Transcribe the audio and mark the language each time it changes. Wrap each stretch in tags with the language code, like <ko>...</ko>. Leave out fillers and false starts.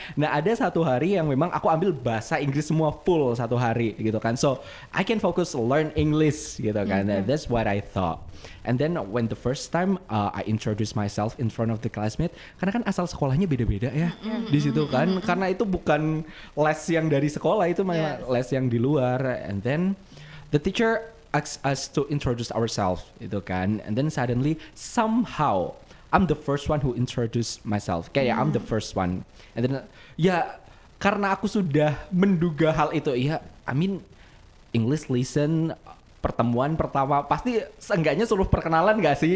<id>Nah ada satu hari yang memang aku ambil bahasa Inggris semua full satu hari gitu kan,</id> <en>so I can focus learn English</en> <id>gitu kan.</id> <en>That's what I thought. And then when the first time I introduce myself in front of the classmate,</en> <id>karena kan asal sekolahnya beda-beda ya di situ kan, karena itu bukan les yang dari sekolah, itu malah les yang di luar.</id> <en>And then the teacher asks us to introduce ourselves, itu kan. And then suddenly somehow I'm the first one who introduce myself. Kayak I'm the first one.</en> <id>And then ya karena aku sudah menduga hal itu, ya</id> <en>I mean</en> <id>English lesson pertemuan pertama pasti seenggaknya suruh perkenalan gak sih?</id>